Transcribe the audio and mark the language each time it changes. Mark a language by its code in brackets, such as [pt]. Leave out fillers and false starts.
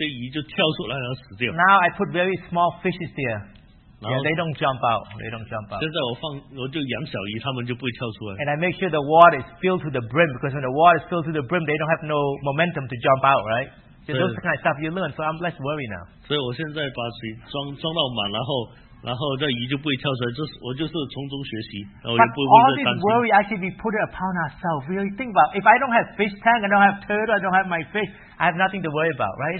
[zh] 所以当我太太喂他们吃的时候，这些鱼就跳出来了，死掉。 [en] Now I put very small fishes there. Yeah, they don't jump out. They don't jump out. [zh] 现在我就养小鱼，他们就不会跳出来。 [en] And I make sure the water is filled to the brim, because when the water is filled to the brim, they don't have no momentum to jump out, right? So those kind of stuff you learn. So I'm less worried now. [zh] 所以我现在把水装到满，然后这鱼就不会跳出来，我就是从中学习，然后也不会担心。 [en] But all this worry actually we put it upon ourselves. Really think about it. If I don't have fish tank, I don't have turtle, I don't have my fish, I have nothing to worry about, right?